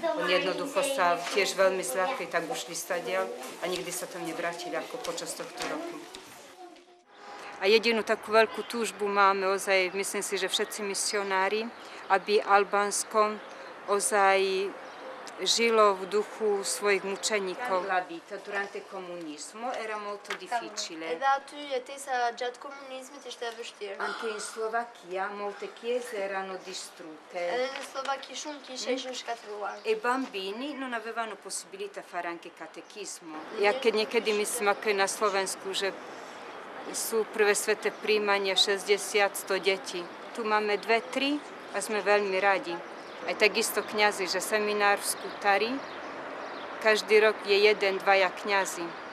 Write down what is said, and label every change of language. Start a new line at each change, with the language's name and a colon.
Slovak: Oni jednoducho sa tiež veľmi zľakli, tak ušli stadiaľ a nikdy sa tam nevrátili ako počas tohto roku. A jedinú takú veľkú túžbu máme ozaj, myslím si, že všetci misionári, aby Albánsko ozaj žilo v duchu svojich mučeníkov.
Italian: Vita durante comunismo era molto difficile. Anche in Slovacchia molte chiese erano distrutte. E bambini non avevano possibilità fare anche catechismo.
Slovak: Jaké niekedy myslím ako na Slovensku, že sú prvé sväté príjmania 60-100 detí. Tu máme 2-3 a sme veľmi radi. Aj takisto kňazi, že seminár v Skutari, každý rok je jeden, dvaja kňazi.